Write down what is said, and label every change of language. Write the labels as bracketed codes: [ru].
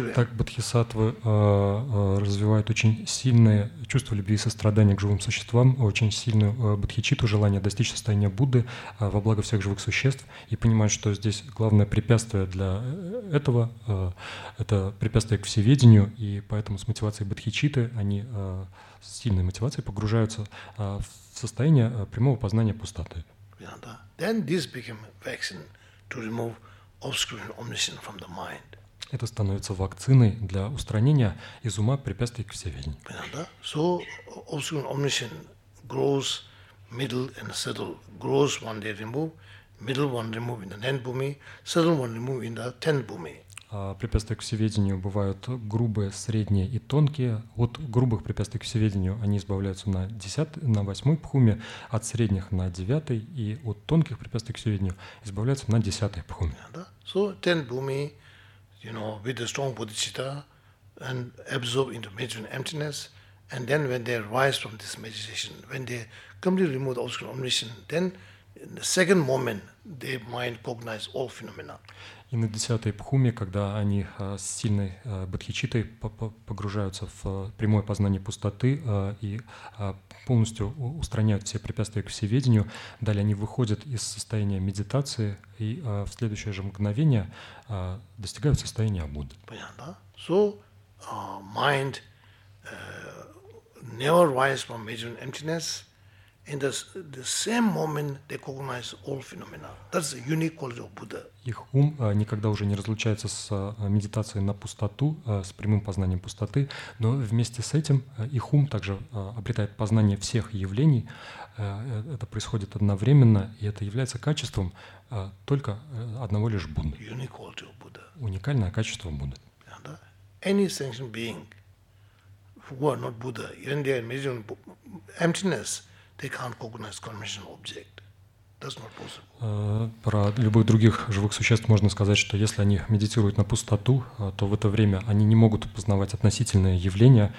[ru] Так бодхисаттвы развивают очень сильное чувство любви и сострадания к живым существам, очень сильную бодхичитту, желание достичь состояния Будды во благо всех живых существ, и понимают, что здесь главное препятствие для этого – это препятствие к всеведению, и поэтому с мотивацией бодхичитты они с сильной мотивацией погружаются в состояние прямого познания пустоты. [en] Then this became vaccine to remove obscuring omniscient from the mind. [ru] Это становится вакциной для устранения из ума препятствий к всеведению. Понятно? [en] So obscuring omniscient grows middle and subtle. Grows one day remove, middle one remove in the ninth bhumi, subtle one remove in the tenth bhumi. [ru] Препятствия к всеведению бывают грубые, средние и тонкие. От грубых препятствий к всеведению они избавляются на восьмой пхуме, от средних на девятой, и от тонких препятствий к всеведению избавляются на десятой пхуме. [en] So, ten bhumi, you know, with the strong bodhicitta and absorb into meditation emptiness, and then when they rise from this meditation, when they completely remove the obscure omniscient, then in the second moment, their mind cognizes all phenomena. [ru] И на десятой пхуме, когда они с сильной бодхичиттой погружаются в прямое познание пустоты и полностью устраняют все препятствия к всеведению, далее они выходят из состояния медитации и в следующее же мгновение достигают состояния Будды. Понятно? [en] So, mind never rises from meditative emptiness. In the same moment, they cognize all phenomena. That's the unique quality of Buddha. [ru] Их ум никогда уже не разлучается с медитацией на пустоту, с прямым познанием пустоты, но вместе с этим их ум также обретает познание всех явлений. Это происходит одновременно, и это является качеством только одного лишь Будды. [en] Unique quality of Buddha. [ru] Уникальное качество Будды. [en] Any sentient being who are not Buddha, even they are imagining emptiness, they can't cognize conventional object. That's not possible. [ru] Про любых других живых существ можно сказать, что если они медитируют на пустоту, то в это время они не могут познавать относительное явление.